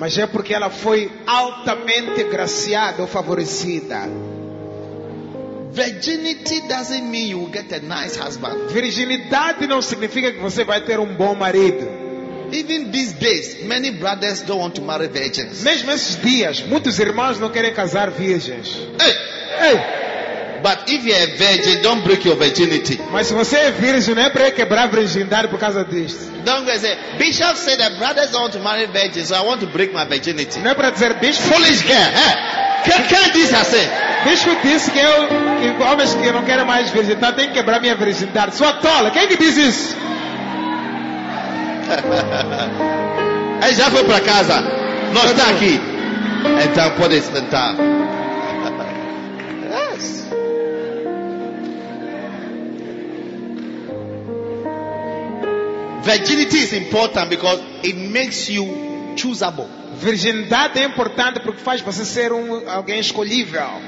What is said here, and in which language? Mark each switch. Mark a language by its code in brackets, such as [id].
[pt] Mas é porque ela foi altamente agraciada ou favorecida. [en] Virginity doesn't mean you will get a nice husband. [pt] Virgindade não significa que você vai ter bom marido. [en] Even these days, many brothers don't want to marry virgins. [pt] Mesmo esses dias, muitos irmãos não querem casar virgens. Hey! Hey! [en] But if you're a virgin, don't break your virginity. [pt] Mas se você é virgem, não é para quebrar a virgindade por causa disto. [en] Don't go and say, Bishop said that brothers don't want to marry virgins, so I want to break my virginity. [pt] Não é para dizer, Bishop. [en] Foolish girl, eh? Can this I say? [pt] Bishop disse que eu, que homens que não querem mais virgem, então tem que quebrar minha virgindade. Sua tola, quem que diz isso? Aí já foi para casa. Não está aqui. Então pode sentar. [en] Yes. Virginity is important because it makes you choosable. [pt] Virgindade é importante porque faz você ser alguém escolhível.